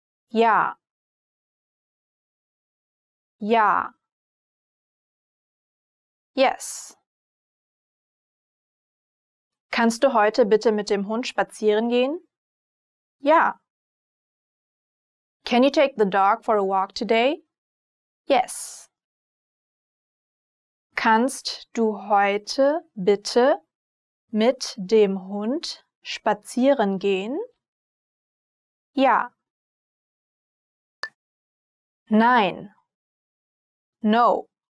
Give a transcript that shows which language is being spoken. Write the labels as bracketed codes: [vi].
[de] Ja. Ja. [en] Yes. [de] Kannst du heute bitte mit dem Hund spazieren gehen? Ja. [en] Can you take the dog for a walk today? Yes. [de] Kannst du heute bitte mit dem Hund spazieren gehen? Ja. Nein. [en] No.